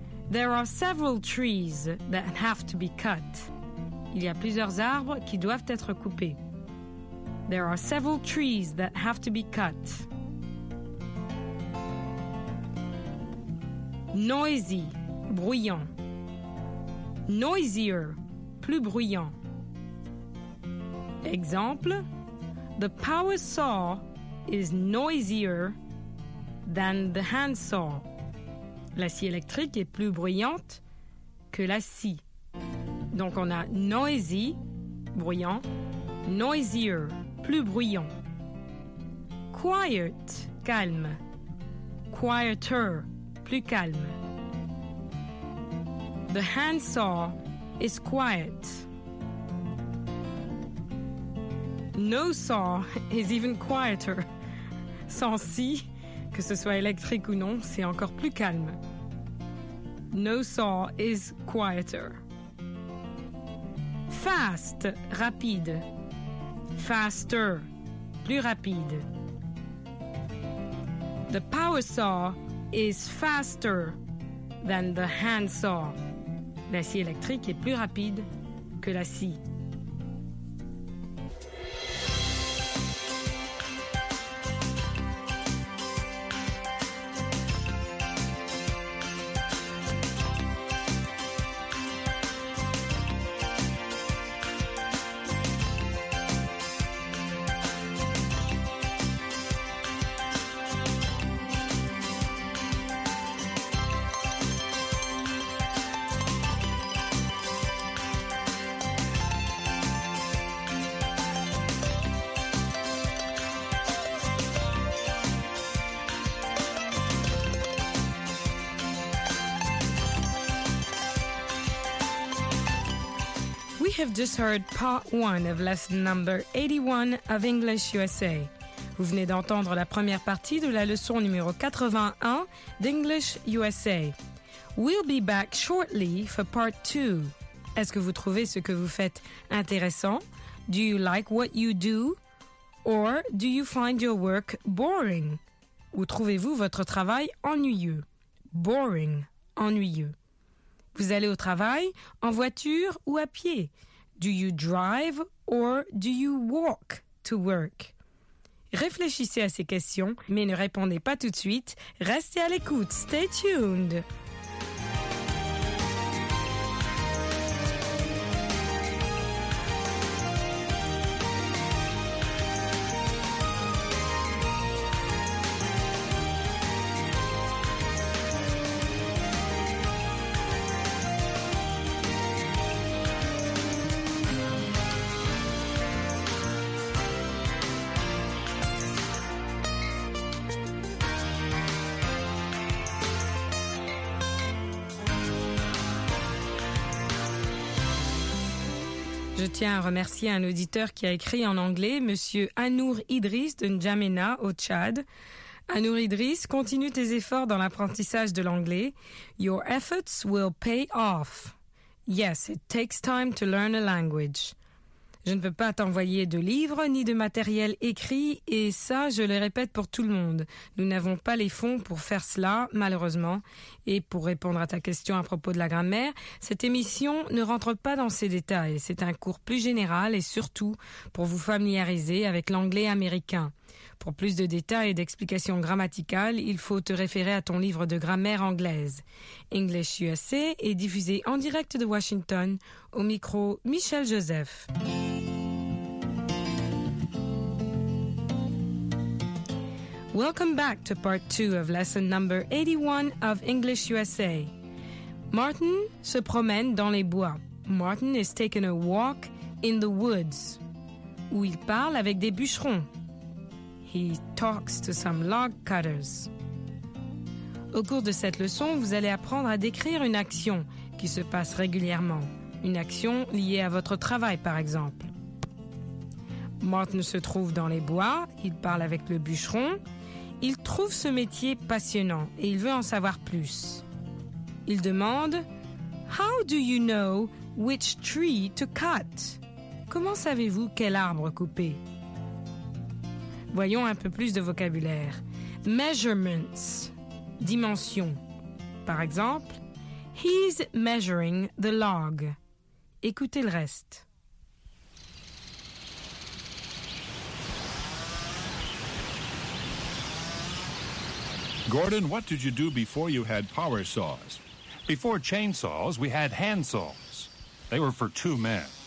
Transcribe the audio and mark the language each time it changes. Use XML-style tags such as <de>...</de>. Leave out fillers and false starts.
<en>There are several trees that have to be cut.</en> <fr>Il y a plusieurs arbres qui doivent être coupés.</fr> <en>There are several trees that have to be cut.</en> <fr>Noisy, bruyant. Noisier, plus bruyant.</fr> <en>Exemple, the power saw is noisier than the hand saw.</en> <fr>La scie électrique est plus bruyante que la scie. Donc on a noisy, bruyant, noisier, plus bruyant. Quiet, calme. Quieter, plus calme.</fr> <en>The handsaw is quiet. No saw is even quieter.</en> <fr>Sans scie, Que ce soit électrique ou non, c'est encore plus calme.</fr> <en>No saw is quieter. Fast, rapide.</en> <fr>Faster, plus rapide.</fr> <en>The power saw is faster than the hand saw.</en> <fr>La scie électrique est plus rapide que la scie.</fr> <en>We have just heard part one of lesson number 81 of English USA.</en> <fr>Vous venez d'entendre la première partie de la leçon numéro 81 d'English USA.</fr> <en>We'll be back shortly for part two.</en> <fr>Est-ce que vous trouvez ce que vous faites intéressant?</fr> <en>Do you like what you do? Or do you find your work boring?</en> <fr>Ou trouvez-vous votre travail ennuyeux? Boring, ennuyeux. Vous allez au travail en voiture ou à pied?</fr> <en>Do you drive or do you walk to work?</en> <fr>Réfléchissez à ces questions, mais ne répondez pas tout de suite. Restez à l'écoute.</fr> <en>Stay tuned.</en> <fr>Je tiens à remercier un auditeur qui a écrit en anglais, M. Anour Idriss de N'Djamena, au Tchad. Anour Idriss, continue tes efforts dans l'apprentissage de l'anglais.</fr> <en>Your efforts will pay off. Yes, it takes time to learn a language.</en> <fr>Je ne peux pas t'envoyer de livres ni de matériel écrit, et ça, je le répète pour tout le monde. Nous n'avons pas les fonds pour faire cela, malheureusement. Et pour répondre à ta question à propos de la grammaire, cette émission ne rentre pas dans ces détails. C'est un cours plus général et surtout pour vous familiariser avec l'anglais américain. Pour plus de détails et d'explications grammaticales, il faut te référer à ton livre de grammaire anglaise. English USA est diffusé en direct de Washington, au micro Michel Joseph.</fr> <en>Welcome back to part 2 of lesson number 81 of English USA.</en> <fr>Martin se promène dans les bois.</fr> <en>Martin is taking a walk in the woods,</en> <fr>où il parle avec des bûcherons.</fr> <en>He talks to some log cutters.</en> <fr>Au cours de cette leçon, vous allez apprendre à décrire une action qui se passe régulièrement. Une action liée à votre travail, par exemple. Martin se trouve dans les bois, il parle avec le bûcheron. Il trouve ce métier passionnant et il veut en savoir plus. Il demande «</fr> <en>How do you know which tree to cut?</en> <fr>» Comment savez-vous quel arbre couper? Voyons un peu plus de vocabulaire.</fr> <en>Measurements, dimensions.</en> <fr>Par exemple,</fr> <en>he's measuring the log.</en> <fr>Écoutez le reste.</fr> <en>Gordon, what did you do before you had power saws? Before chainsaws, we had hand saws. They were for two men.</en>